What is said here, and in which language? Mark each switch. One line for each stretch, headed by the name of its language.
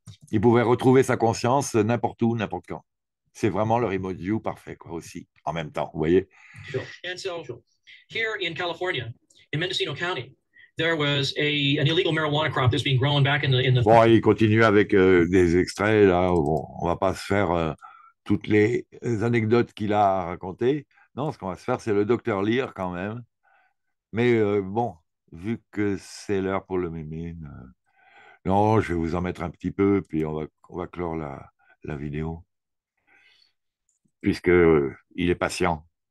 French: Il pouvait retrouver sa conscience n'importe où, n'importe quand. C'est vraiment le remote view parfait, quoi, aussi, en même temps, vous voyez.
English: And so, here in California, in Mendocino County, there was an illegal marijuana crop that's being grown back in the.
French: Bon, il continue avec des extraits là. Bon, on va pas se faire toutes les anecdotes qu'il a racontées. Non, ce qu'on va se faire, c'est le docteur lire quand même. Mais bon, vu que c'est l'heure pour le mémine, non, je vais vous en mettre un petit peu, puis on va clore la vidéo, puisque il est patient.